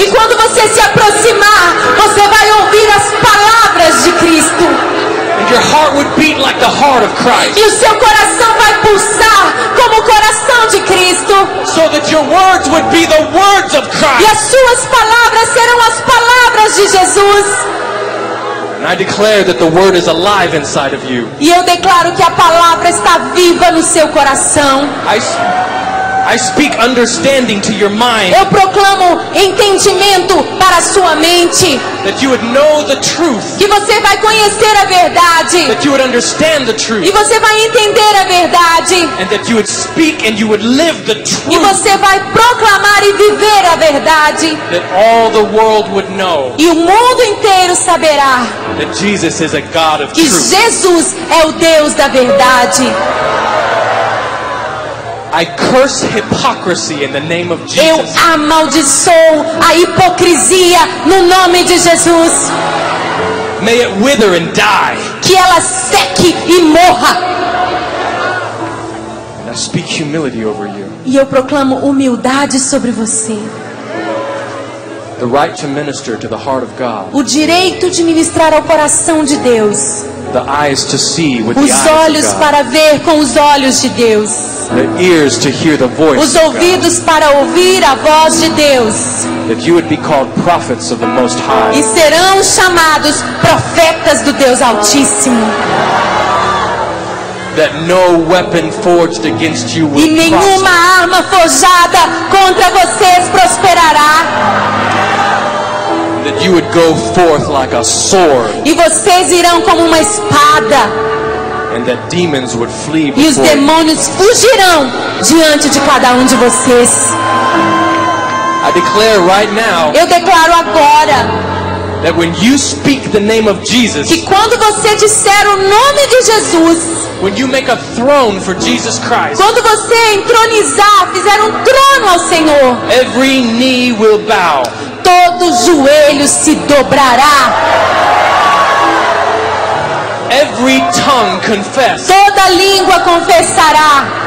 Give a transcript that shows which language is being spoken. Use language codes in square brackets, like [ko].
[pt] E quando você se aproximar, você vai ouvir as palavras de Cristo. [en] And your heart would beat like the heart of Christ. [pt] E o seu coração vai pulsar como o coração de Cristo. [en] So that your words would be the words of Christ. [pt] E as suas palavras serão as palavras de Jesus. [en] And I declare that the word is alive inside of you. [pt] E eu declaro que a palavra está viva no seu coração. [en] I speak understanding to your mind. [pt] Eu proclamo entendimento para a sua mente. [en] That you would know the truth. [pt] Que você vai conhecer a verdade. [en] That you would understand the truth. [pt] E você vai entender a verdade. [en] And that you would speak and you would live the truth. [pt] E você vai proclamar e viver a verdade. [en] That all the world would know. [pt] E o mundo inteiro saberá. [en] That Jesus is a God of [pt] que [en] truth. [pt] Jesus é o Deus da verdade. [en] I curse hypocrisy in the name of Jesus. [pt] Eu amaldiçoo a hipocrisia no nome de Jesus. [en] May it wither and die. [pt] Que ela seque e morra. [en] And I speak humility over you. [pt] E eu proclamo humildade sobre você. [en] The right to minister to the heart of God. [pt] O direito de ministrar ao coração de Deus. [en] The eyes to see with [pt] os [en] the [pt] olhos [en] eyes [pt] para ver com os olhos de Deus. [en] The ears to hear the voice [pt] os ouvidos [en] of God. [pt] Para ouvir a voz de Deus. [en] That you would be called prophets of the Most High. [pt] E serão chamados profetas do Deus Altíssimo. [en] That no weapon forged against you will [pt] e nenhuma [en] prosper. [pt] Arma forjada contra vocês prosperará. [en] That you would go forth like a sword. [pt] E vocês irão como uma espada. [en] And that demons would flee before [pt] e os demônios [en] you. [pt] Fugirão diante de cada de vocês. [en] I declare right now. [pt] Eu declaro agora. [en] That when you speak the name of Jesus. [pt] Que quando você disser o nome de Jesus. [en] When you make a throne for Jesus Christ. [pt] Quando você entronizar, fizer trono ao Senhor. [en] Every knee will bow. [pt] Todo joelho se dobrará. [en] Every tongue confess. [pt] Toda língua confessará.